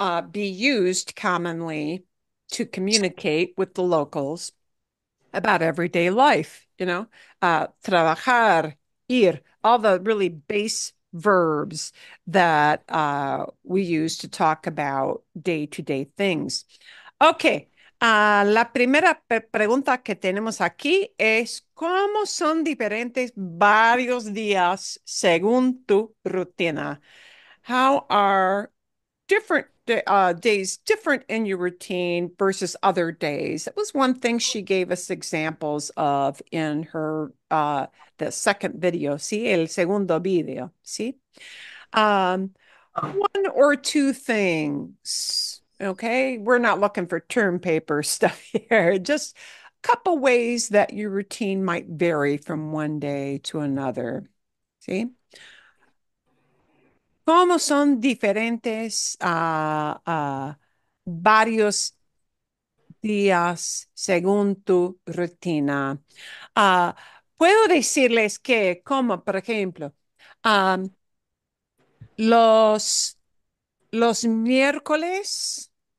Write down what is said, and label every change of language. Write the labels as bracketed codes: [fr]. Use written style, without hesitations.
[en] be used commonly to communicate with the locals about everyday life, you know, trabajar, ir, all the really base verbs that we use to talk about day-to-day things. [es] Okay, la primera pregunta que tenemos aquí es ¿cómo son diferentes varios días según tu rutina? [en] How are different days different in your routine versus other days? That was one thing she gave us examples of in her the second video, ¿sí? [es] El segundo video, ¿sí? [en] One or two things. Okay, we're not looking for term paper stuff here. Just a couple ways that your routine might vary from one day to another. [es] ¿Sí? ¿Cómo son diferentes varios días según tu rutina? Puedo decirles que, como por ejemplo, los miércoles.